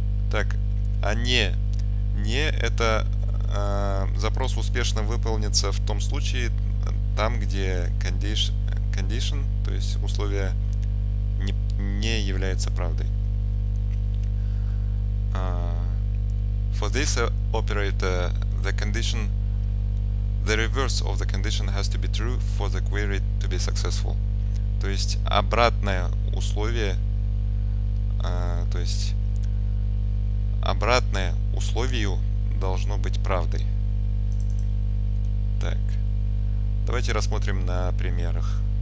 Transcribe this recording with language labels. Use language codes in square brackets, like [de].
[ru] Так, а не. Не – это запрос успешно выполнится в том случае, там, где condition, то есть условие не является правдой. [en] For this operator, the condition the reverse of the condition has to be true for the query to be successful. [ru] То есть обратное условие, то есть обратное условию должно быть правдой. Так, давайте рассмотрим на примерах.